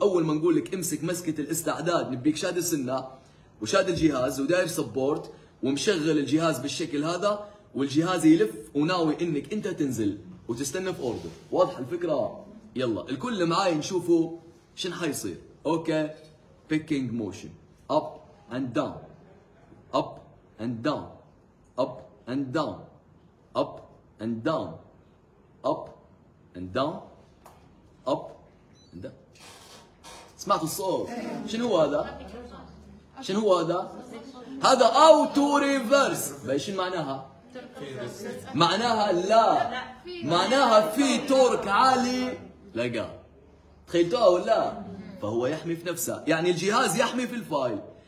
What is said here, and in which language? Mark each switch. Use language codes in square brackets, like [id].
[ar] اول ما نقول لك امسك مسكة الاستعداد نبيك شاد السنة وشاد الجهاز وداير سبورت ومشغل الجهاز بالشكل هذا، والجهاز يلف وناوي انك انت تنزل وتستنى في اوردر. واضح الفكرة؟ يلا الكل معاي نشوفه شن حيصير. [en] Okay picking motion up and down up and down up and down up and down up and down up and down. [ar] سمعتوا الصوت؟ شنو هذا؟ شنو هذا؟ هذا auto reverse. بايش معناها؟ معناها لا، معناها في تورك عالي لقى، تخيلتوها ولا لا؟ فهو يحمي في نفسه، يعني الجهاز يحمي في الفايل.